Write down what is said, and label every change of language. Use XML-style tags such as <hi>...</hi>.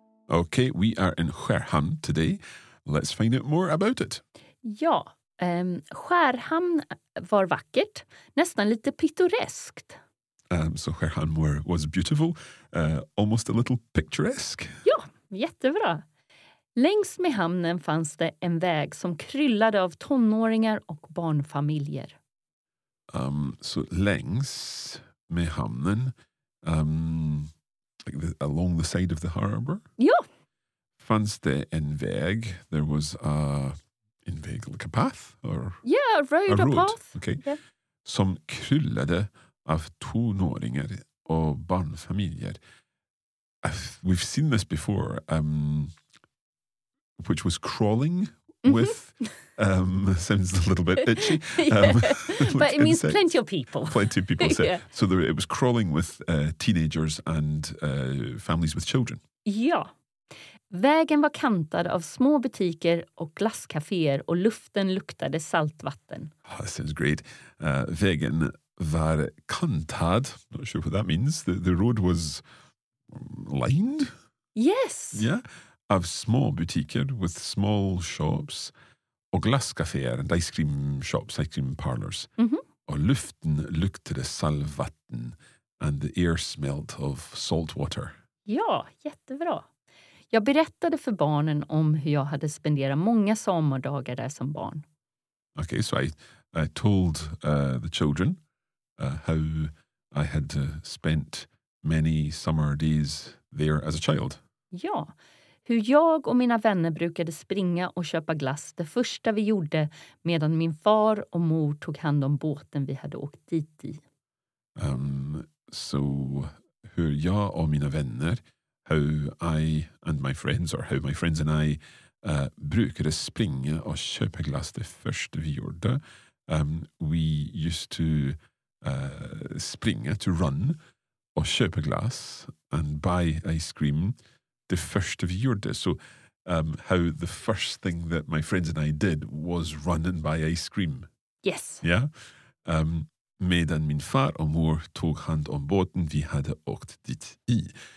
<en>Okay, we are in Skärhamn today. Let's find out more about it.</en> <sv>Ja, Skärhamn var vackert, nästan lite pittoreskt.</sv> <en>So Skärhamn was beautiful, almost a little picturesque.</en> <sv>Ja, jättebra. Längs med hamnen fanns det en väg som kryllade av tonåringar och barnfamiljer.</sv> <en>So längs med hamnen... along the side of the harbour?</en> <sv>Ja. Fanns det en väg?</sv> <en>There was a...</en> <sv>En väg,</sv> <en>like a path? Or yeah, a road. Path. Okay. Yeah.</en> <sv>Som kryllade av tonåringar och barnfamiljer.</sv> <en>We've seen this before. Which was crawling with... sounds a little bit itchy. Yeah. But it means plenty of people. Plenty of people. So, yeah. So there, it was crawling with teenagers and families with children.</en> <sv>Ja. Vägen var kantad av små butiker och glasscaféer och luften luktade saltvatten.</sv> <en>Oh, that sounds great.</en> <sv>Vägen var kantad.</sv> <en>Not sure what that means. The road was lined? Yes. Yeah.</en> <sv>Av små butiker</sv> <en>with small shops...</en> <sv>och glasscaféer,</sv> <en>ice cream shops, ice cream parlors. Mm-hmm.</en> <sv>Och luften luktade saltvatten</sv> <en>and the air smelt of salt water.</en> <sv>Ja, jättebra. Jag berättade för barnen om hur jag hade spenderat många sommardagar där som barn.</sv> <en>Okay, so I told the children how I had spent many summer days there as a child.</en> <sv>Ja, hur jag och mina vänner brukade springa och köpa glass det första vi gjorde medan min far och mor tog hand om båten vi hade åkt dit i. So, hur jag och mina vänner,</sv> <en>how I and my friends, or how my friends and I</en> <sv>brukade springa och köpa glass det första vi gjorde.</sv> <en>We used to</en> <sv>springa,</sv> <en>to run,</en> <sv>och köpa glass</sv> <en>and buy ice cream the first of your day. So how the first thing that my friends and I did was run and buy ice cream. Yes. Yeah.</en> <sv>Medan min far och mor tog hand om båten vi hade åkt dit i.</sv>